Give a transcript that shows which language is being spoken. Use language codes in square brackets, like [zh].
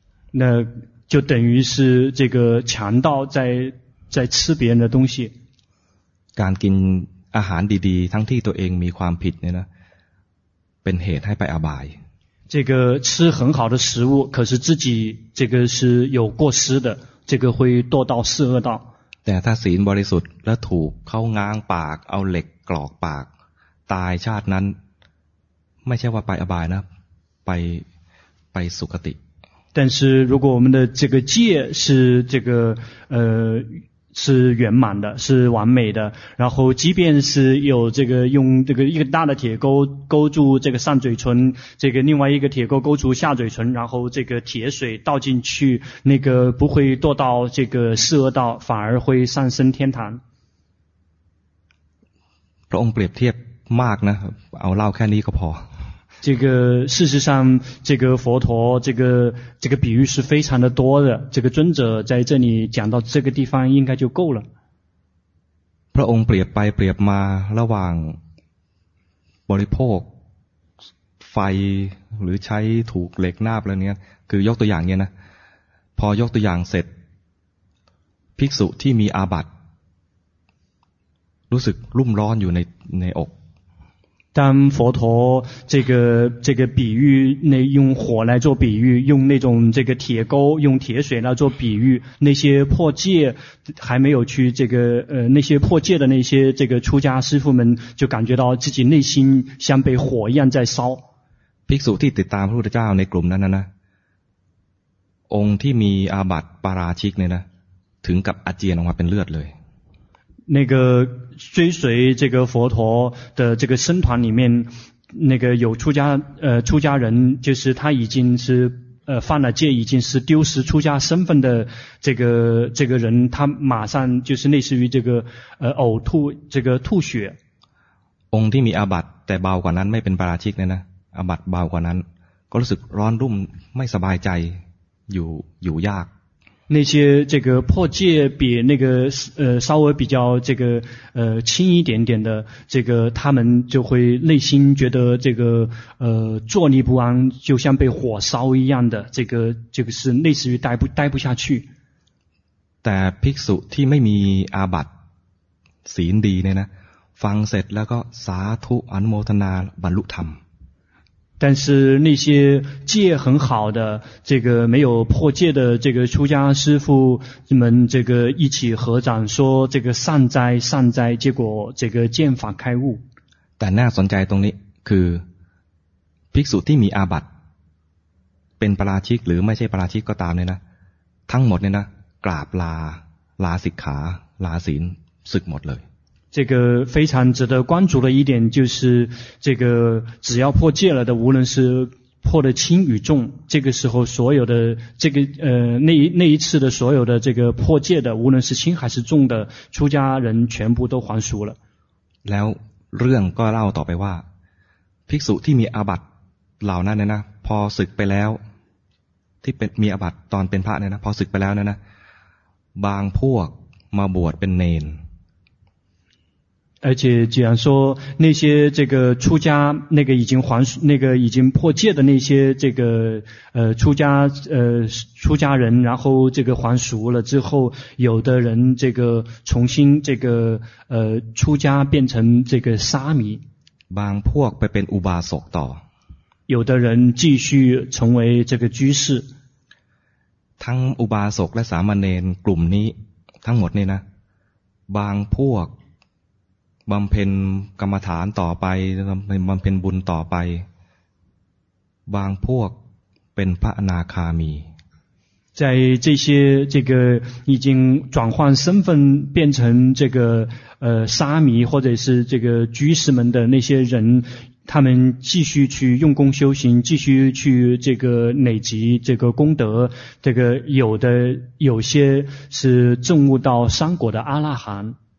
[zh] 那就等于是这个强盗在吃别人的东西 [th] การกินอาหารดีๆทั้งที่ตัวเองมีความผิดเนี่ยนะเป็นเหตุให้ไปอบาย [zh] 这个吃很好的食物可是自己这个是有过失的这个会堕到四恶道 [th] แต่ถ้าศีลบริสุทธิ์แล้วถูกเข้าง้างปากเอาเหล็กกรอกปากตายชาตินั้นไม่ใช่ว่าไปอบายนะไปสุคติ [zh] 但是如果我们的这个戒是这个是圆满的是完美的然后即便是有这个用这个一个大的铁钩勾住这个上嘴唇这个另外一个铁钩勾住下嘴唇然后这个铁水倒进去那个不会堕到这个四恶道反而会上升天堂 [th] พระองค์เปรียบเทียบมากนะเอาเล่าแค่นี้ก็พอ [zh] 这个事实上这个佛陀这个比喻是非常的多的这个尊者在这里讲到这个地方应该就够了 [th] พระองค์เปรียบไปเปรียบมาระหว่างบริโภคไฟหรือใช้ถูกเหล็กหน้าบอะไรเนี้ยคือยกตัวอย่างเนี้ยนะพอยกตัวอย่างเสร็จภิกษุที่มีอาบัติรู้สึกรุ่มร้อนอยู่ในอก [zh] 当佛陀这个比喻，那用火来做比喻，用那种这个铁钩，用铁水来做比喻，那些破戒还没有去这个那些破戒的那些这个出家师父们，就感觉到自己内心像被火一样在烧。 [th] ภิกษุที่ติดตามพระพุทธเจ้าในกลุ่มนั้นนะองค์ที่มีอาบัติปาราชิกเนี่ยนะถึงกับอาเจียนออกมาเป็นเลือดเลย [zh] 那个追随这个佛陀的这个僧团里面，那个有出家人，就是他已经是犯了戒，已经是丢失出家身份的这个人，他马上就是类似于这个呕吐这个吐血。 [th] องค์ที่มีอาบัติแต่เบากว่านั้นไม่เป็นปาราชิกเลยนะอาบัติเบากว่านั้นก็รู้สึกร้อนรุ่มไม่สบายใจอยู่ยาก [zh] 那些这个破戒比那个稍微比较这个轻一点点的这个他们就会内心觉得这个坐立不安就像被火烧一样的这个是类似于待不下去 [th] แต่ภิกษุที่ไม่มีอาบัติศีลดีเนี่ยนะฟังเสร็จแล้วก็สาธุอนุโมทนาบรรลุธรรม [zh] 但是那些戒很好的这个没有破戒的这个出家师父们这个一起合掌说这个善哉善哉结果这个见法开悟 [th] แต่น่าสนใจตรงนี้คือภิกษุที่มีอาบัติ ป็นปราชิกหรือไม่ใช่ปราชิกก็ตามเนี่ยนะทั้งหมดเนี่ยนะกราบลาลาสิกขาลาศีลสึกหมดเลย [zh] 这个非常值得关注的一点就是这个只要破戒了的无论是破的轻与重这个时候所有的这个那一次的所有的这个破戒的无论是轻还是重的出家人全部都还俗了 [th] แล้วเรื่องก็เล่าต่อไปว่าภิกษุที่มีอาบัติเหล่านั้นเนี่ยนะพอสึกไปแล้วที่เป็นมีอาบัติตอนเป็นพระเนี่ยนะพอสึกไปแล้วเนี่ยนะบางพวกมาบวชเป็นเนน [zh] 而且既然说那些这个出家那个已经还那个已经破戒的那些这个出家人然后这个还俗了之后有的人这个重新这个出家变成这个沙弥 [th] บางพวกไปเป็นอุบาสกต่อ [zh] 有的人继续成为这个居士 [th] ทั้งอุบาสกและสามเณรกลุ่มนี้ทั้งหมดนี่นะบางพวกบำเพ็ญกรรมฐานต่อไปบำเพ็ญบุญต่อไปบางพวกเป็นพระอนาคามี [zh] 在这些这个已经转换身份变成这个沙弥或者是这个居士们的那些人他们继续去用功修行继续去这个累积这个功德这个有的有些是证悟到三果的阿拉含